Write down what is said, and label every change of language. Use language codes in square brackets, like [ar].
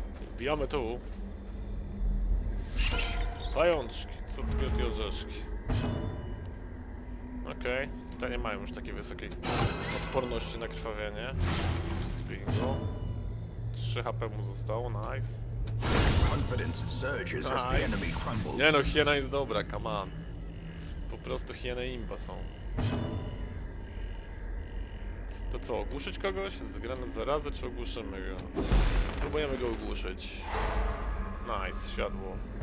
[pl] Wbijamy tu. Pajączki. Co tu jest, orzeszki? Okej. Okay. Te nie mają już takiej wysokiej odporności na krwawienie. Bingo. 3 HP mu zostało. Nice. [en] Confidence surges as the enemy crumbles. [pl] Nie no, hiena jest dobra, [en] come on. [pl] Po prostu hieny imba są. To co, ogłuszyć kogoś? Zgrany zarazy, czy ogłuszymy go? Spróbujemy go ogłuszyć. Nice, siadło.